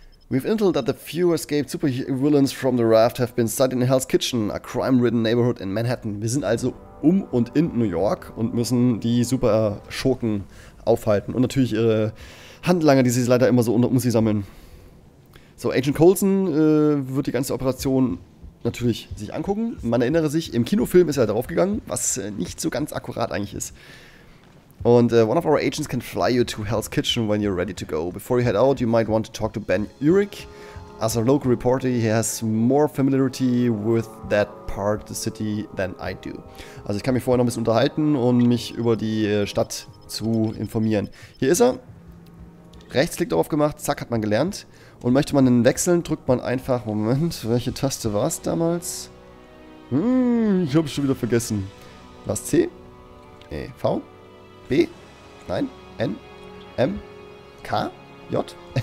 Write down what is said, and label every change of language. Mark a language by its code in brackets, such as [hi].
[en] We've intelled that the few escaped supervillains from the raft have been studied in Hell's Kitchen, a crime-ridden neighborhood in Manhattan. [de] Wir sind also um und in New York und müssen die Super-Schurken aufhalten. Und natürlich ihre Handlanger, die sie leider immer so um sie sammeln. So, Agent Coulson wird die ganze Operation natürlich sich angucken. Man erinnere sich, im Kinofilm ist er darauf gegangen, was nicht so ganz akkurat eigentlich ist. Und [en] one of our agents can fly you to Hell's Kitchen when you're ready to go. Before you head out, you might want to talk to Ben Urich. As a local reporter, he has more familiarity with that part of the city than I do. [de] Also ich kann mich vorher noch ein bisschen unterhalten und mich über die Stadt zu informieren. Hier ist er. Rechtsklick darauf gemacht, zack, hat man gelernt. Und möchte man einen wechseln, drückt man einfach, Moment, welche Taste war es damals? Ich habe es schon wieder vergessen. War es C? E, V? B? Nein? N? M? K? J?